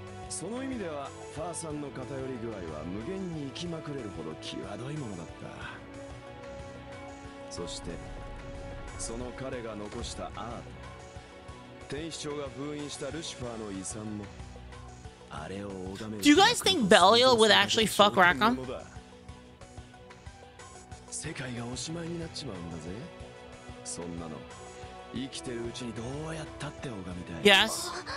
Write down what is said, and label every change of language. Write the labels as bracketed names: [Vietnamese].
[Japanese] その意味ではファーさんの偏り具合は無限に生きまくれるほど際どいものだった。そして、その彼が残したアート、天使長が封印したルシファーの遺産も。 [English] Do you guys think Belial would actually fuck Rackham? [Japanese] 世界がおしまいになっちまうんだぜ。そんなの生きてるうちにどうやったって拝みたい。 [English] Yes.